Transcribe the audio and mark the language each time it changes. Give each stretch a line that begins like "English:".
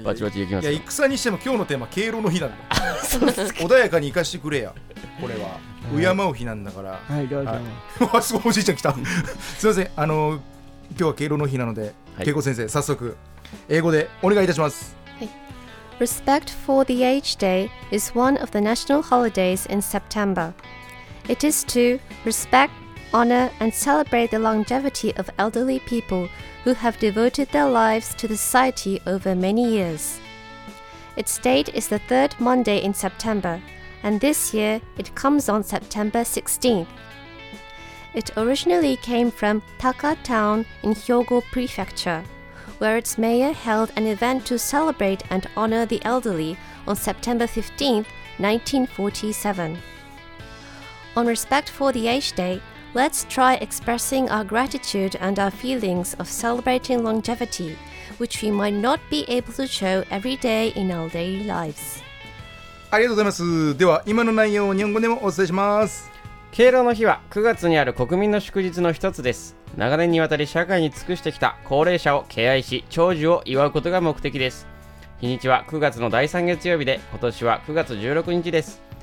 Japanese: バチバチ行きます。いや、戦にしても今日のテーマ敬老の日なんだそうす、穏やかに生かしてくれや、これは敬う日なんだから。はい、どうぞ。あ、すごいおじいちゃん来たすいません、今日は敬老の日なので、はい、恵子先生早速英語でお願いいたします。
English: Respect for the Age Day is one of the national holidays in September. It is to respect, honor, and celebrate the longevity of elderly people who have devoted their lives to the society over many years. Its date is the third Monday in September, and this year it comes on September 16th. It originally came from Taka Town in Hyogo Prefecture. Where its mayor held an event to celebrate and honor the elderly on September 15th, 1947. On Respect for the Age Day, let's try expressing our gratitude and our feelings of celebrating longevity, which we might not be able to show every day in our daily lives.
Japanese: ありがとうございます。では今の内容を日本語でもお伝えします。敬老の日は9月にある国民の祝日の一つです。長年にわたり社会に尽くしてきた高齢者を敬愛し、長寿を祝うことが目的です。日にちは9月の第3月曜日で、今年は9月16日です。